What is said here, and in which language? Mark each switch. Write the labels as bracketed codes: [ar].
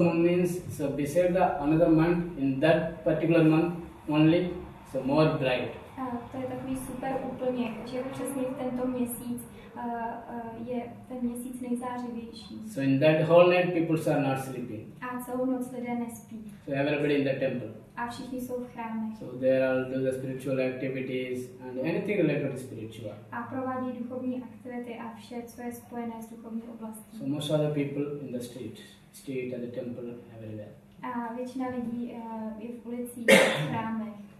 [en] moon means, so beside the another month, in that particular month only, so more bright. [cs] To je takový super úplněk, že přesně v tento měsíc je ten měsíc nejzářivější. [en] So in that whole night people are not sleeping. [cs] A celou noc lidé nespí. [en] So everybody in the temple. [cs] A všichni jsou v chráme. [en] So there are all the spiritual activities and anything related to spiritual. [cs] A provádí duchovní aktivity a vše, co je spojené s duchovní oblastí. [en] So most of the people in the street and the temple everywhere. [cs] A většina lidí je v ulicích, v chrámech.